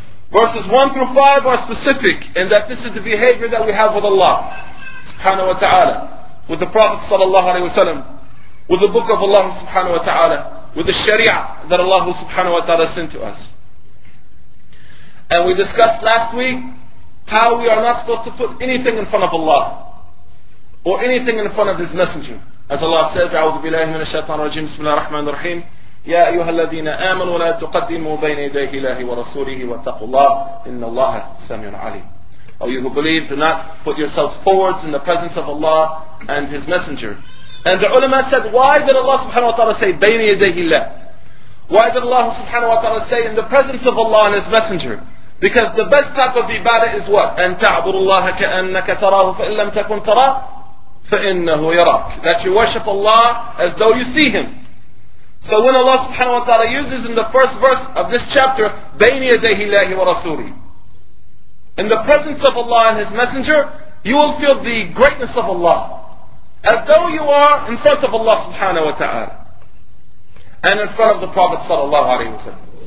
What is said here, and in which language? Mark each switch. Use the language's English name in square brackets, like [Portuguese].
[English] Verses 1 through 5 are specific in that this is the behavior that we have with Allah subhanahu wa ta'ala, with the Prophet sallallahu alaihi wasallam, with the book of Allah subhanahu wa ta'ala, with the sharia that Allah subhanahu wa ta'ala sent to us. And we discussed last week how we are not supposed to put anything in front of Allah or anything in front of His messenger. As Allah says, [Arabic] أعوذ بالله من الشيطان الرجيم بسم الله الرحمن الرحيم يا أيها الذين آمنوا ولا تقدموا بين يديه الله ورسوله واتقوا الله إن الله سميع عليم. [English] O you who believe, do not put yourselves forwards in the presence of Allah and His Messenger. And the ulama said, why did Allah subhanahu wa ta'ala say [Arabic] بين يديه الله? [English] Why did Allah subhanahu wa ta'ala say in the presence of Allah and His Messenger? Because the best type of ibadah is what? [Arabic] أن تعبد الله كأنك تراه فإن لم تكن تراه فَإِنَّهُ يَرَاكَ. [English] That you worship Allah as though you see Him. So when Allah subhanahu wa ta'ala uses in the first verse of this chapter, [Arabic] بَيْنِ يَدَيْهِ اللَّهِ وَرَسُولِهِ, [English] in the presence of Allah and His Messenger, you will feel the greatness of Allah, as though you are in front of Allah subhanahu wa ta'ala, and in front of the Prophet sallallahu alayhi wa sallam.